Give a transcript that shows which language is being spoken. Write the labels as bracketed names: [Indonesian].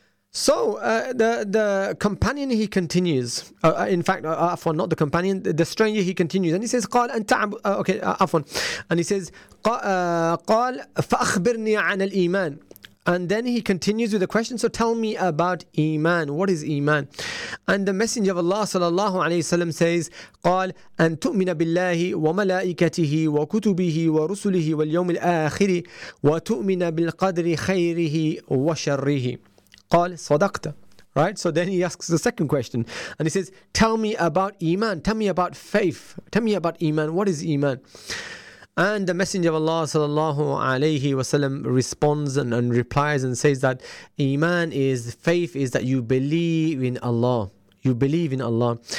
[English] So the companion, he continues. The stranger, he continues, and he says, [Arabic] "قال أنت عفوا," [English] and he says, [Arabic] "قال فأخبرني عن الإيمان." [English] And then he continues with the question, so tell me about Iman, what is Iman? And the Messenger of Allah sallallahu alayhi wa sallam says, [Arabic] قال أن تؤمن بالله وملائكته وكتبه ورسله واليوم الآخر وتؤمن بالقدر خيره وشره. قال صدقت. [English] Right, so then he asks the second question and he says, tell me about Iman, tell me about faith, tell me about Iman, what is Iman? And the Messenger of Allah sallallahu alayhi wasallam responds and replies and says that Iman is, faith is that you believe in Allah. You believe in Allah.